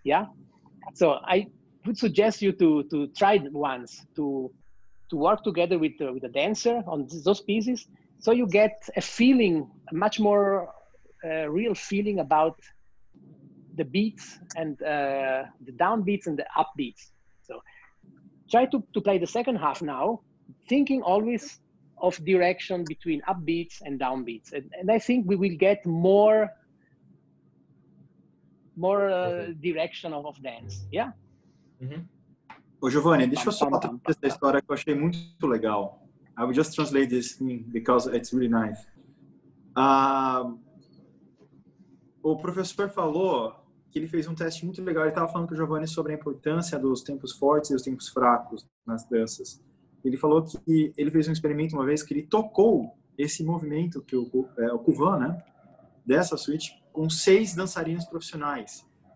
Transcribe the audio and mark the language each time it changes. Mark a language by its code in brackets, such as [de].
[en] Yeah, so I would suggest you to try it once to work together with a dancer on those pieces, so you get a feeling, a much more real feeling about the beats and the downbeats and the upbeats. So try to play the second half now, thinking always of direction between upbeats and downbeats, and I think we will get more direction of dance. Yeah. [pt] Mm-hmm. Ô Giovanni, deixa eu só falar essa história que eu achei muito legal. [en] I will just translate this thing because it's really nice. [pt] O professor falou que ele fez um teste muito legal. Ele estava falando com o Giovanni sobre a importância dos tempos fortes e os tempos fracos nas danças. Ele falou que ele fez um experimento uma vez que ele tocou esse movimento, que o Kuvan, né, dessa suíte, com seis dançarinos profissionais.